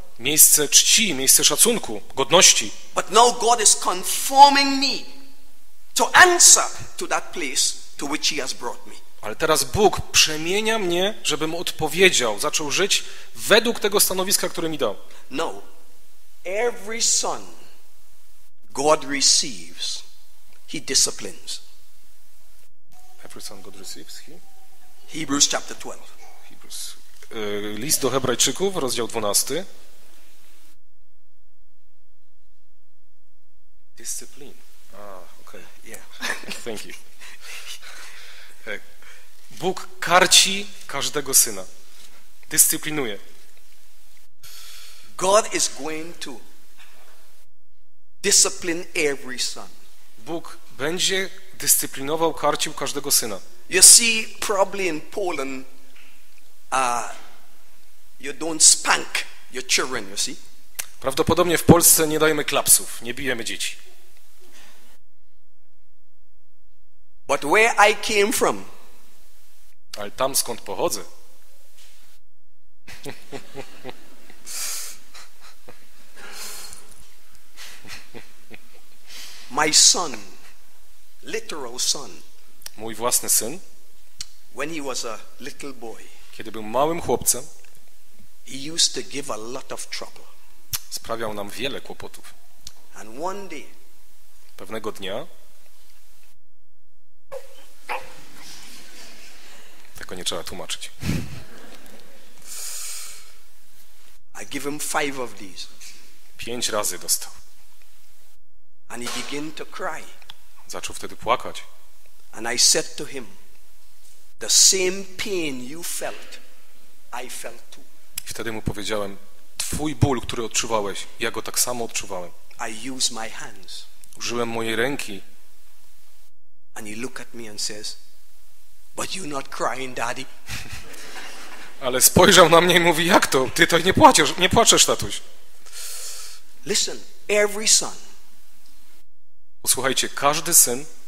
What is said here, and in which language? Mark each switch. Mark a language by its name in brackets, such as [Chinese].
[Polish] Miejsce czci, miejsce szacunku, godności. [English] But now God is conforming me. to answer to that place to which he has brought me. [Polish] Ale teraz Bóg przemienia mnie, żebym odpowiedział, zaczął żyć według tego stanowiska, które mi dał. [English] No. Every son God receives, he disciplines. Every son God receives, he? Hebrews chapter 12. Hebrews. [Polish] List do Hebrajczyków, rozdział 12. [English] Discipline. Okay. Yeah. Thank you. [Polish] Bóg karci każdego syna. Dyscyplinuje. [English] God is going to discipline every son. [Polish] Bóg będzie dyscyplinował, karcił każdego syna. [English] You see, probably in Poland, you don't spank your children, you see? [Polish] Prawdopodobnie w Polsce nie dajemy klapsów, nie bijemy dzieci. [English] But where I came from, [Polish] ale tam, skąd pochodzę. [English] My son, literal son, [Polish] mój własny syn, [English] when he was a little boy, [Polish] kiedy był małym chłopcem, [English] he used to give a lot of trouble. [Polish] Sprawiał nam wiele kłopotów. [English] And one day, [Polish] pewnego dnia, tego nie trzeba tłumaczyć. [English] I give him five of these. [Polish] Pięć razy dostał. [English] And he began to cry. [Polish] Zaczął wtedy płakać. [English] And I said to him, the same pain you felt, I felt too. [Polish] I wtedy mu powiedziałem, twój ból, który odczuwałeś, ja go tak samo odczuwałem. [English] I use my hands. [Polish] Użyłem mojej ręki. [English] And he looked at me and says, but you're not crying, daddy. [Polish] Ale spojrzał na mnie i mówi, jak to? Ty to nie płaczesz, tatuś. [English] Listen, every son. [Polish] Posłuchajcie, każdy syn.